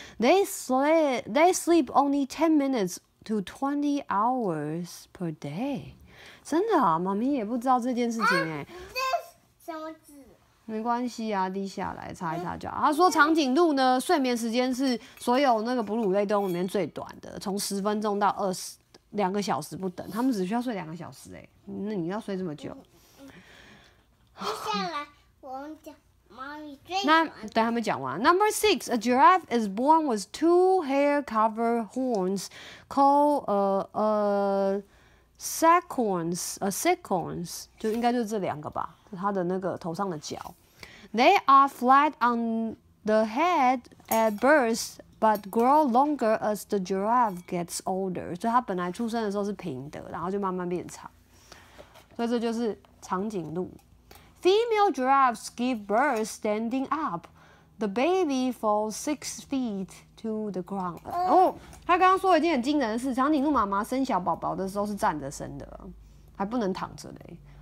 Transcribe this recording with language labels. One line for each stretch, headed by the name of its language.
English: They sleep only 10 minutes to 20 hours per day.
Chinese: 真的啊，妈咪也不知道这件事情哎、欸。这是什么字？没关系啊，滴下来擦一擦就好。他说长颈鹿呢，睡眠时间是所有那个哺乳类动物里面最短的，从10分钟到两个小时不等，他们只需要睡两个小时欸。那你要睡这么久？接下来我们讲，妈咪最短。那等他们讲完。
English: Number six, a giraffe is born with two hair-covered horns called sequins，
Chinese: 就应该就是这两个吧，它的那个头上的角。
English: They are flat on the head at birth, but grow longer as the giraffe gets older。
Chinese: 所以它本来出生的时候是平的，然后就慢慢变长。所以这就是长颈鹿。
English: Female giraffes give birth standing up. The baby falls 6 feet. to the ground。
Chinese: 哦，他刚刚说一件很惊人的事，长颈鹿妈妈生小宝宝的时候是站着生的，还不能躺着嘞。